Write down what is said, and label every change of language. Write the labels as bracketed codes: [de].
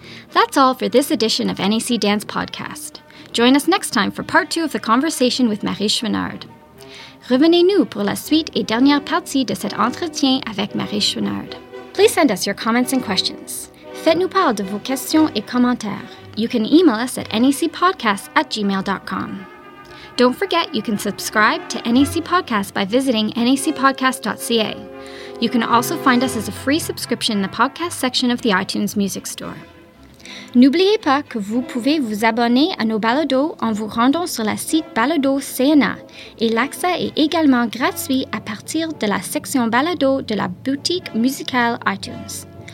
[en] That's all for this edition of NAC Dance Podcast. Join us next time for part two of the conversation with Marie Chouinard. [fr] Revenez-nous pour la suite et dernière partie de cet entretien avec Marie Chouinard. [en] Please send us your comments and questions. [fr] Faites-nous part de vos questions et commentaires. [en] You can email us at nacpodcast@gmail.com. Don't forget, you can subscribe to NAC Podcast by visiting nacpodcast.ca. You can also find us as a free subscription in the podcast section of the iTunes Music Store. [fr] N'oubliez pas que vous pouvez vous abonner à nos balados en vous rendant sur le site Balado CNA, et l'accès est également gratuit à partir de la section Balado de la boutique musicale iTunes.